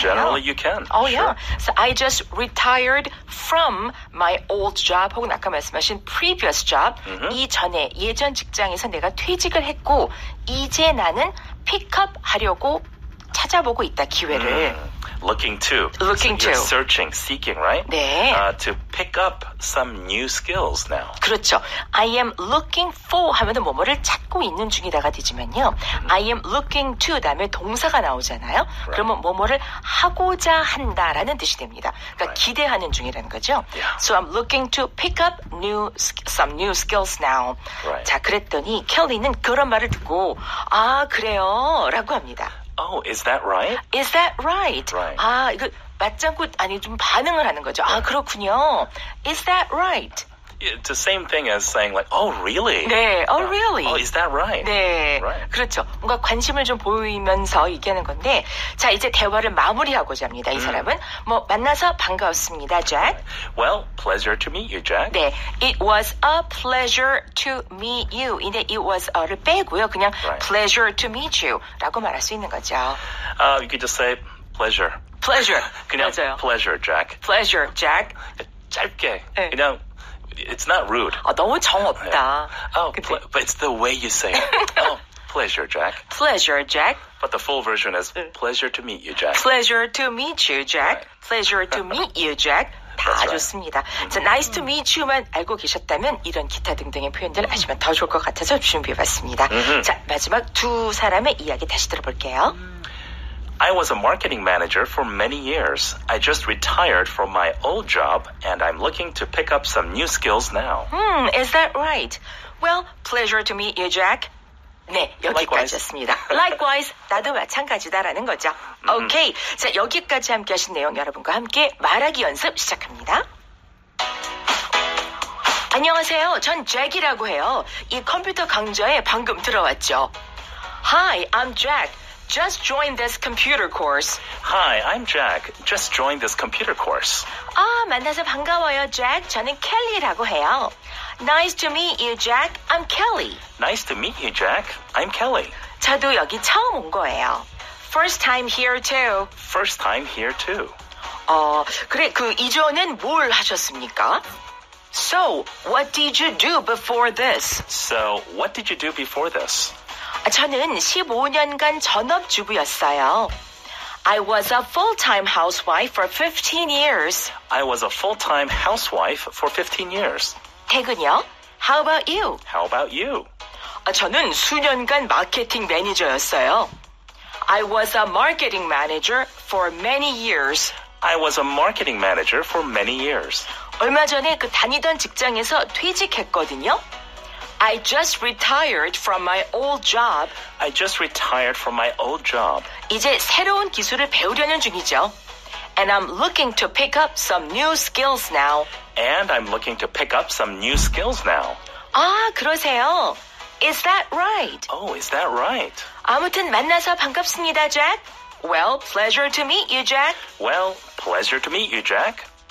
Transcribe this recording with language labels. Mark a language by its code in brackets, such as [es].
[en] Generally you can. Oh sure. yeah. So I just retired from my old job [ko] 혹은 아까 말씀하신 [en] previous job. Mm-hmm. [ko] 이전에 예전 직장에서 내가 퇴직을 했고 이제 나는 픽업 하려고 찾아보고 있다 기회를. [en] Looking to. Looking so you're to. Searching, seeking, right? [ko] 네. [en] To pick up some new skills now. [ko] 그렇죠. [en] I am looking for [ko] 하면은 뭐뭐를 찾고 있는 중이다가 되지만요. [en] I am looking to [ko] 다음에 동사가 나오잖아요. [en] Right. [ko] 그러면 뭐뭐를 하고자 한다라는 뜻이 됩니다. 그러니까 [en] right. [ko] 기대하는 중이라는 거죠. [en] Yeah. So I'm looking to pick up some new skills now. Right. [ko] 자, 그랬더니 켈리는 그런 말을 듣고 아, 그래요? 라고 합니다. [en] Oh, is that right? Is that right? Right. [ko] 아, 이거 맞장구 아니 좀 반응을 하는 거죠. [en] Right. [ko] 아, 그렇군요. [en] Is that right? It's the same thing as saying like, oh, really? [ko] 네, [en] oh, really? Oh, is that right? [ko] 네, [en] right. [ko] 그렇죠. 뭔가 관심을 좀 보이면서 얘기하는 건데, 자 이제 대화를 마무리하고자 합니다. 이 사람은 뭐 만나서 반가웠습니다, Jack. [en] Well, pleasure to meet you, Jack. [ko] 네, [en] it was a pleasure to meet you. [ko] 이제 [en] it was a [ko] 를 빼고요, 그냥 [en] right. pleasure to meet you [ko] 라고 말할 수 있는 거죠. [en] You could just say pleasure. Pleasure. [ko] 그냥 맞아요. [en] Pleasure, Jack. Pleasure, Jack. [ko] 짧게. 네. 그냥 [en] It's not rude. [ko] 아, 너무 정 없다. [en] Yeah. Oh, but it's the way you say it. Oh, pleasure, Jack. Pleasure, Jack. But the full version is pleasure to meet you, Jack. Pleasure to meet you, Jack. Right. Pleasure to meet you, Jack. [ko] 다 [en] right. [ko] 좋습니다. So, [en] nice to meet you [ko] 만 알고 계셨다면 이런 기타 등등의 표현들 아시면 더 좋을 것 같아서 준비해봤습니다. 자, 마지막 두 사람의 이야기 다시 들어볼게요. [en] I was a marketing manager for many years. I just retired from my old job, and I'm looking to pick up some new skills now. Hmm, is that right? Well, pleasure to meet you, Jack. [ko] 네, 여기까지였습니다. [en] Likewise, [ko] 나도 마찬가지다라는 거죠. [en] Okay, [ko] 자, 여기까지 함께 하신 내용 여러분과 함께 말하기 연습 시작합니다. 안녕하세요, 전 잭이라고 해요. 이 컴퓨터 강좌에 방금 들어왔죠. [en] Hi, I'm Jack. Just joined this computer course. Hi, I'm Jack. Just joined this computer course. [ko] 아, 만나서 반가워요, Jack. 저는 켈리라고 해요. [en] Nice to meet you, Jack. I'm Kelly. Nice to meet you, Jack. I'm Kelly. [ko] 저도 여기 처음 온 거예요. [en] First time here, too. First time here, too. [ko] 그래, 그 이전엔 뭘 하셨습니까? [en] So, what did you do before this? So, what did you do before this? [ko] 저는 15년간 전업주부였어요. [en] I was a full-time housewife for 15 years. I was a full-time housewife for 15 years. [ko] 태근이요? [en] How about you? How about you? [ko] 저는 수년간 마케팅 매니저였어요. [en] I was a marketing manager for many years. I was a marketing manager for many years. [ko] 얼마 전에 그 다니던 직장에서 퇴직했거든요. [en] I just retired from my old job. I just retired from my old job. [ko] 이제 새로운 기술을 배우려는 중이죠. [en] And I'm looking to pick up some new skills now. And I'm looking to pick up some new skills now. [ko] 아, 그러세요. [en] Is that right? Oh, is that right? [ko] 아무튼 만나서 반갑습니다, Jack. [en] Well, pleasure to meet you, Jack. Well, pleasure to meet you, Jack.